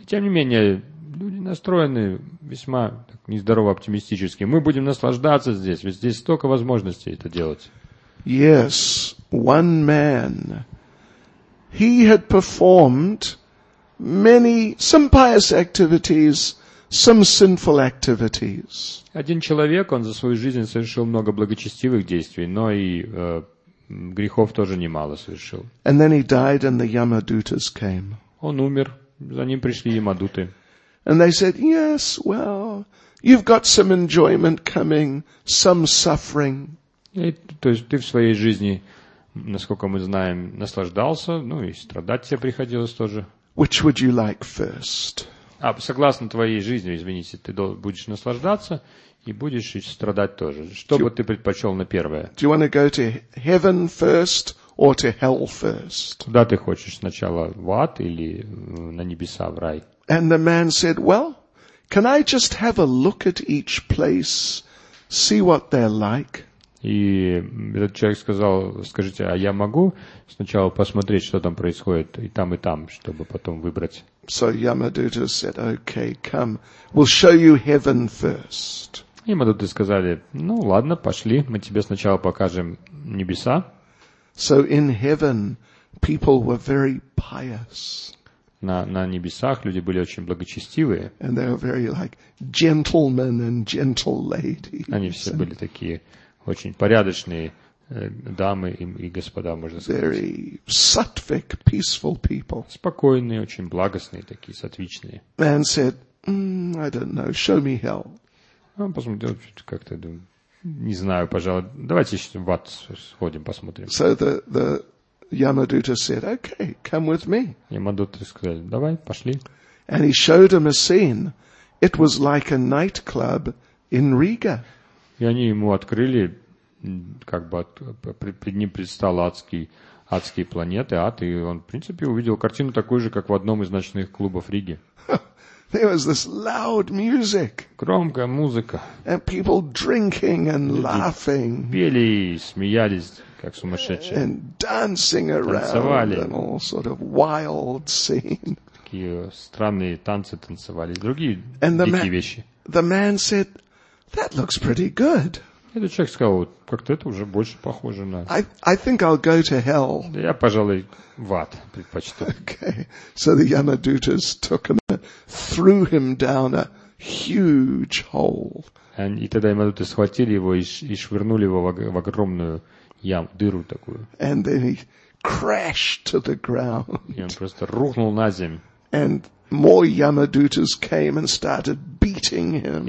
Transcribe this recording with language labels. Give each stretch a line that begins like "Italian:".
Russian: Тем не менее, люди настроены весьма так, нездорово оптимистически. Мы будем наслаждаться здесь, ведь здесь столько возможностей это делать.
English: Yes, one man. He had performed many, some pious activities, some sinful activities.
Russian: Один человек, он за свою жизнь совершил много благочестивых действий, но и грехов тоже немало совершил.
English: And then he died and the Yamadutas came.
Russian: Он умер, за ним пришли Ямадуты.
English: And they said, yes, well, you've got some enjoyment coming, some suffering.
Russian: И, то есть ты в своей жизни, насколько мы знаем, наслаждался, ну и страдать тебе приходилось тоже.
English: Which would you like first?
Russian: А согласно твоей жизни, извините, ты будешь наслаждаться и будешь и страдать тоже. Что бы ты предпочел на первое?
English: Do you want to go to heaven first or to hell first?
Russian: Куда ты хочешь, сначала в ад или на небеса, в рай?
English: And the man said, well, can I just have a look at each place, see what they're like?
Russian: И этот человек сказал, скажите, а я могу сначала посмотреть, что там происходит, и там, чтобы потом выбрать?
English: So Yamadutta said, okay, come, we'll show you heaven first.
Russian: И Ямадуты сказали, ну ладно, пошли, мы тебе сначала покажем небеса.
English: So in heaven, people were very pious.
Russian: На небесах люди были очень благочестивые.
English: And they were very like gentlemen and gentle ladies.
Russian: Они все были такие очень порядочные дамы и господа, можно сказать.
English: Very sattvic, peaceful people.
Russian: Спокойные, очень благостные такие, сатвичные.
English: Man said, I don't know, show me hell.
Russian: Он посмотрел, как-то думаю, не знаю, пожалуй, давайте еще в ад сходим, посмотрим.
English: So the Yamadutta said, okay, come with me.
Russian: Ямадуты сказали, давай, пошли.
English: And he showed him a scene. It was like a nightclub in Riga.
Russian: И они ему открыли, перед ним предстал адский адские планеты, ад, и он, в принципе, увидел картину такую же, как в одном из ночных клубов Риги.
English: There was this loud music.
Russian: Громкая музыка.
English: And people drinking and laughing.
Russian: Пели и смеялись, как сумасшедшие.
English: And dancing around.
Russian: Танцевали.
English: And all sort of wild scene.
Russian: Такие странные танцы танцевали. Другие дикие вещи.
English: The man said, "That looks pretty good."
Russian: Этот человек сказал, как-то это уже больше похоже на...
English: I think I'll go to hell.
Russian: Я, пожалуй, в ад предпочту.
English: Okay. So the Yamadutas took him and threw him down a huge hole.
Russian: И тогда Ямадуты схватили его и швырнули его в огромную яму, дыру такую.
English: And then he crashed to the ground.
Russian: И он просто рухнул на землю.
English: And more Yamadutas came and started beating him.